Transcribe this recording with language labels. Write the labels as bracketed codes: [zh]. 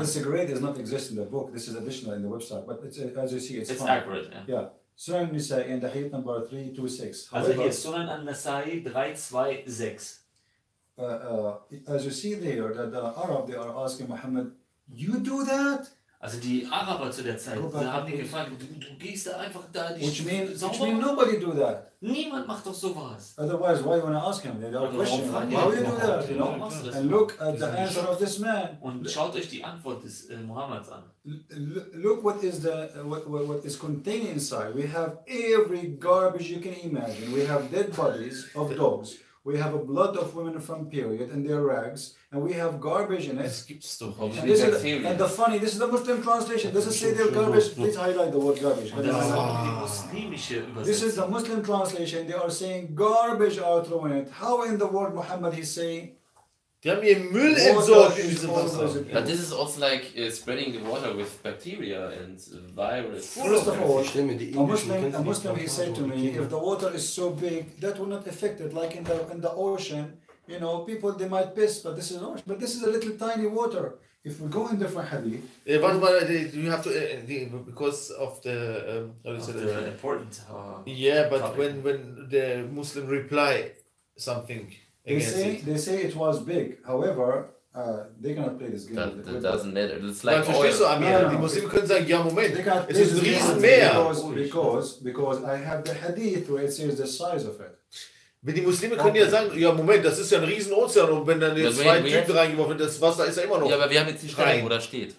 [en] This is great, does not exist in the book. This is additional in the website. But it's, as you see, it's accurate. Yeah. Sunan al-Nasa'i in the hadith number 326. [de] Also hier Sunan al-Nasa'i 326. [en] As you see there, that the Arab, they are asking Muhammad, you do that? [de] Also die Araber zu der Zeit, da haben die gefragt, du gehst da einfach da, die [en] which mean nobody do that. [de] Niemand macht doch sowas. [en] Otherwise, why you want to ask him? They got a question. Why will you do that? You know? And look at the answer of this man. Und schaut euch die Antwort des Muhammads an. Look what is contained inside. We have every garbage you can imagine. We have dead bodies of dogs. We have a blood of women from period and their rags, and we have garbage in it. [de] Es gibt's doch, [en] and, this is, and the funny, this is the Muslim translation. Das doesn't say they're garbage. Please highlight the word garbage. [de] Und das ist auch die muslimische Übersetzung. [en] This is the Muslim translation. They are saying garbage are thrown in it. How in the world Muhammad is saying? [de] Die haben ihr Müll entsorgt in diesem Wasser. [en] But this is also like spreading the water with bacteria and virus. First of all, a Muslim he said to me, if the water is so big, that will not affect it. Like in the ocean, you know, people they might piss, but this is an ocean. But this is a little tiny water. If we go in different hadith. Yeah, but you have to, because of the. When the Muslim reply something. They say it was big. However, they cannot play this game. That doesn't matter. It's like oil. So, I mean, the Muslim could say, yeah, moment. It is a [de] riesen Meer. [en] Because I have the hadith where it says the size of it. [de] Wenn die Muslime können ja sagen, ja Moment, das ist ja ein riesen Ozean und wenn dann jetzt zwei Typen reingeworfen werden, das Wasser ist ja immer noch. Ja, aber wir haben jetzt die Stellung, wo das steht.